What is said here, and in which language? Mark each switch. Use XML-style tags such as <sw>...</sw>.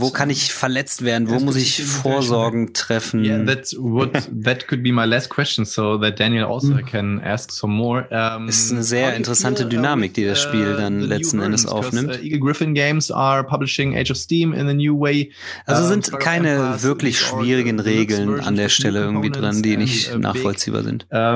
<de>Wo kann ich verletzt werden? Wo muss ich Vorsorgen treffen?</de> <en>Yeah, that could be my last question, so that Daniel also can ask some more.</en> <de>Ist eine sehr interessante Dynamik, die das Spiel dann letzten Endes aufnimmt.</de> <en>Eagle Griffin Games are publishing Age of Steam in a new way.</en> <de>Also sind keine wirklich schwierigen Regeln an der Stelle irgendwie dran, die nicht nachvollziehbar sind.</de>